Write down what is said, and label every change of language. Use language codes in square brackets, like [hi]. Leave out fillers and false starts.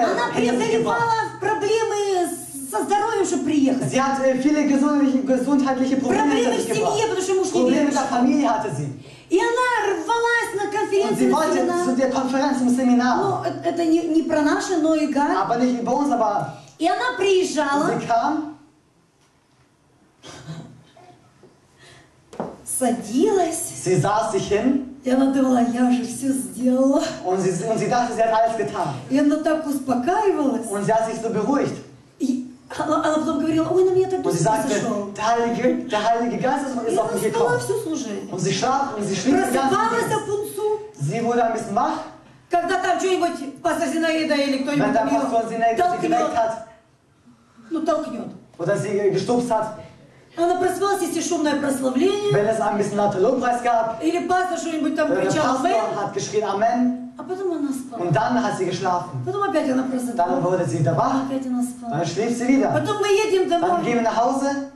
[ru] Она преодолевала проблемы со здоровьем, чтобы приехать. [de] Sie hat viele gesundheitliche Probleme. Probleme mit der Familie hatte sie. [ru] И она рвалась на конференцию. [de] Und sie wollte zu der Konferenz zum Seminar. [ru] Ну, это не про наши, но egal. [de] Aber nicht über uns, aber. [ru] И она приезжала. [de] Sie kam. [ru] Садилась. [de] Sie saß sich hin. [ru] И она думала, я уже все сделала. [de] Und sie dachte, sie hat alles getan. [ru] И она так успокаивалась. [de] Und sie hat sich so beruhigt. [ru] И она потом говорила, ой, на меня так Дух Святой сошел. [de] Der Heilige Geist ist auf mich gekommen. [ru] И она встала все служение. Sie [de] wurde ein bisschen wach. [ru] Когда там что-нибудь пастор Зинаида или кто-нибудь толкнет. [de] Oder sie gestupst hat. [ru] Она проснулась, если шумное прославление. [de] Gab, [ru] или пастор что-нибудь там кричал. [de] Amen. [ru] А потом она спала. [de] Und dann hat sie geschlafen. [ru] Потом опять она проснулась. Опять она спала. [de] Dann schläft sie wieder. [ru] Потом мы едем домой. [de] Dann gehen wir nach Hause.